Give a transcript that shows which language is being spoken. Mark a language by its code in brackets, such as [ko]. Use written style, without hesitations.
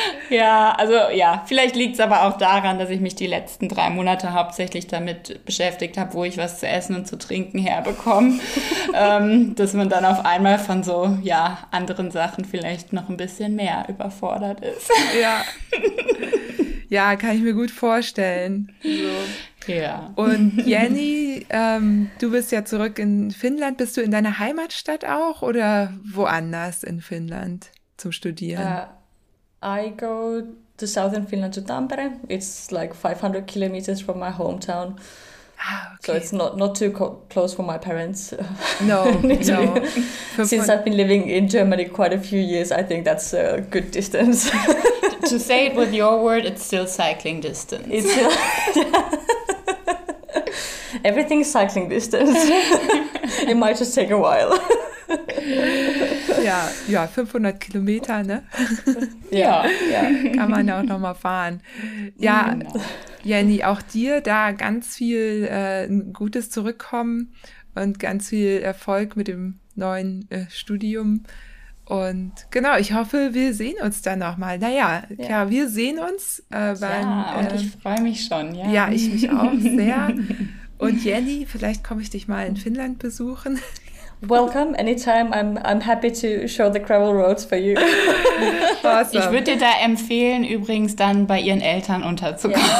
[de] Ja, also ja, vielleicht liegt es aber auch daran, dass ich mich die letzten 3 Monate hauptsächlich damit beschäftigt habe, wo ich was zu essen und zu trinken herbekomme, dass man dann auf einmal von so, ja, anderen Sachen vielleicht noch ein bisschen mehr überfordert ist. Ja, ja, kann ich mir gut vorstellen. So. Ja. Und Jenny, du bist ja zurück in Finnland. Bist du in deiner Heimatstadt auch oder woanders in Finnland zum Studieren? [en] I go to southern Finland, to Tampere. It's like 500 kilometers from my hometown. Ah, okay. So it's not too close for my parents. No, no. Since I've been living in Germany quite a few years, I think that's a good distance. To say it with your word, it's still cycling distance. It's still everything's cycling distance. It might just take a while. [de] Ja, 500 Kilometer, ne? Ja. Kann man auch nochmal fahren. Ja, genau. Jenny, auch dir da ganz viel Gutes zurückkommen und ganz viel Erfolg mit dem neuen Studium. Und genau, ich hoffe, wir sehen uns dann nochmal. Naja, ja, wir sehen uns. Und ich freue mich schon. Ja. Ja, ich mich auch sehr. Und Jenny, vielleicht komme ich dich mal in Finnland besuchen. [en] Welcome, anytime. I'm happy to show the gravel roads for you. Awesome. [de] Ich würde dir da empfehlen, übrigens dann bei ihren Eltern unterzukommen.